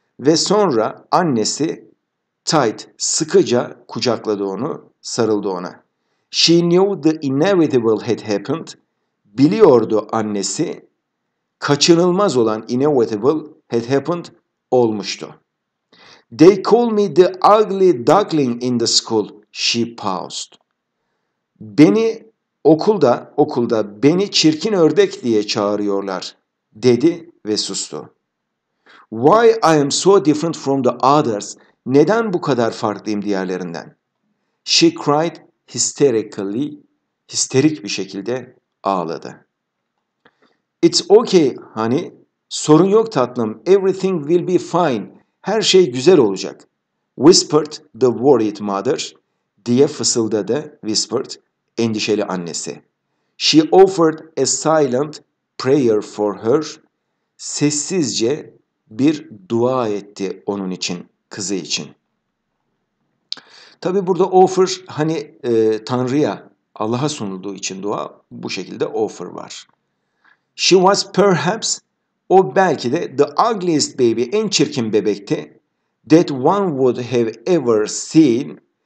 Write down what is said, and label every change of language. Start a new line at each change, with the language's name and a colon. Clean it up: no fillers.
Turkish: Ve sonra annesi tight, sıkıca kucakladı onu, sarıldı ona.
English: She knew the inevitable had happened.
Turkish: Biliyordu annesi, kaçınılmaz olan
English: inevitable had happened
Turkish: olmuştu.
English: They call me the ugly duckling in the school. She paused.
Turkish: Beni okulda beni çirkin ördek diye çağırıyorlar, dedi ve sustu.
English: Why I am so different from the others?
Turkish: Neden bu kadar farklıyım diğerlerinden?
English: She cried hysterically,
Turkish: histerik bir şekilde ağladı.
English: It's okay, honey.
Turkish: Sorun yok tatlım.
English: Everything will be fine.
Turkish: Her şey güzel olacak.
English: Whispered the worried mother.
Turkish: Diye fısıldadı, whispered, endişeli annesi.
English: She offered a silent prayer for her.
Turkish: Sessizce bir dua etti onun için, kızı için. Tabii burada offer, hani Tanrı'ya, Allah'a sunulduğu için dua, bu şekilde offer var.
English: She was perhaps,
Turkish: o belki de
English: the ugliest baby,
Turkish: en çirkin bebekti,
English: that one would have ever seen.